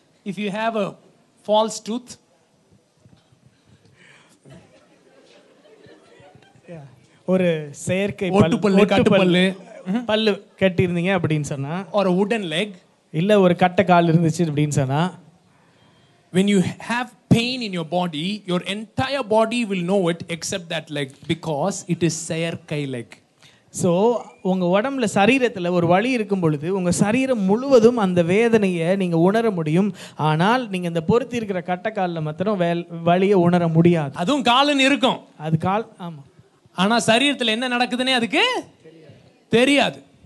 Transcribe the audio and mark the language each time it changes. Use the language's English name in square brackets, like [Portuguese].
[English] If you have a false tooth, or a செயற்கை [Tamil] பல்லு, கட்டுப்பல்லு பல்லு கட்டி இருந்தீங்க அப்படினு சொன்னா, [English] or a wooden leg, [Tamil] இல்ல ஒரு கட்ட கால் இருந்துச்சு அப்படினு சொன்னா, [English] when you have pain in your body, your entire body will know it except that leg, because it is செயற்கை leg. [Tamil] ஸோ உங்கள் உடம்புல சரீரத்தில் ஒரு வலி இருக்கும் பொழுது உங்கள் சரீரம் முழுவதும் அந்த வேதனையை நீங்கள் உணர முடியும். ஆனால் நீங்கள் இந்த பொருத்தி இருக்கிற கட்டக்காலில் மாத்திரம் வலியை உணர முடியாது. அதுவும் காலுன்னு இருக்கும். அது கால், ஆமாம். ஆனால் சரீரத்தில் என்ன நடக்குதுன்னே அதுக்கு தெரியாது.